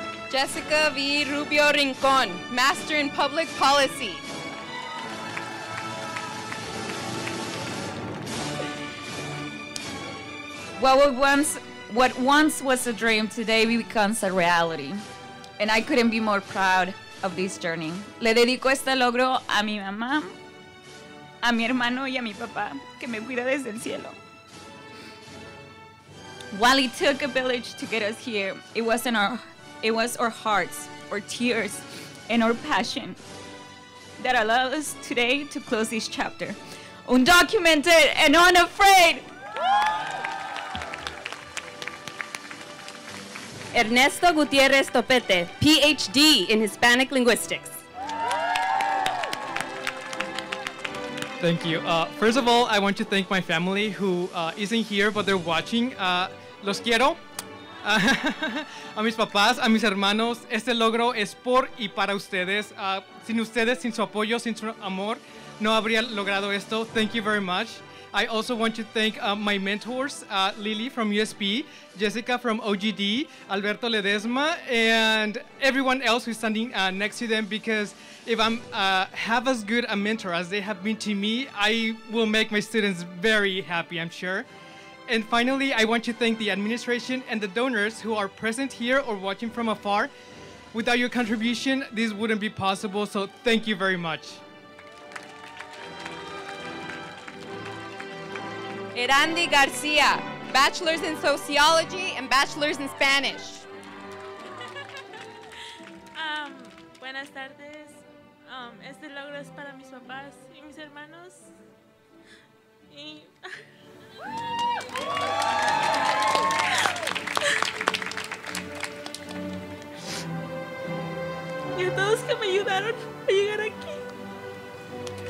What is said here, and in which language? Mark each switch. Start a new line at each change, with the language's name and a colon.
English: Jessica V. Rubio Rincon, Master in Public Policy. Well, what once was a dream today becomes a reality. And I couldn't be more proud of this journey.
Spanish: Le dedico este logro a mi mamá, a mi hermano y a mi papá, que me cuida desde el cielo.
English: While it took a village to get us here, it was our hearts, our tears, and our passion that allowed us today to close this chapter. undocumented, and unafraid. Ernesto Gutierrez Topete, PhD in Hispanic Linguistics. Thank you. First of all, I want to thank my family who isn't here, but they're watching.
Spanish: Los quiero. A mis papás, a mis hermanos, este logro es por y para ustedes. Sin ustedes, sin su apoyo, sin su amor, no habría logrado esto.
English: Thank you very much. I also want to thank my mentors, Lily from USP, Jessica from OGD, Alberto Ledesma, and everyone else who's standing next to them, because if I'm have as good a mentor as they have been to me, I will make my students very happy, I'm sure. And finally, I want to thank the administration and the donors who are present here or watching from afar. Without your contribution, this wouldn't be possible, so thank you very much. Erandi Garcia, bachelor's in sociology and bachelor's in Spanish.
Spanish: Buenas tardes. Este logro es para mis papás y mis hermanos. Y a todos que me ayudaron a llegar aquí.